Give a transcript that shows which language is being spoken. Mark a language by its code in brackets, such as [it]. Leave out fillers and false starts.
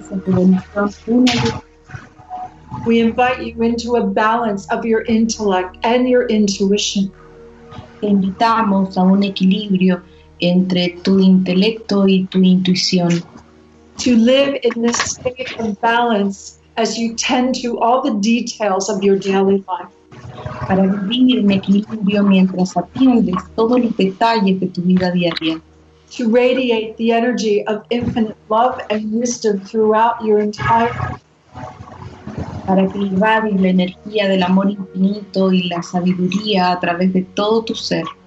[en] We invite you into a balance of your intellect and your intuition. [es] Te invitamos a un equilibrio entre tu intelecto y tu intuición. [en] To live in this state of balance as you tend to all the details of your daily life. [es] Para vivir en equilibrio mientras atiendes todos los detalles de tu vida diaria. [en] To radiate the energy of infinite love and wisdom throughout your entire life. [es] Para que irradies la energía del amor infinito y la sabiduría a través de todo tu ser.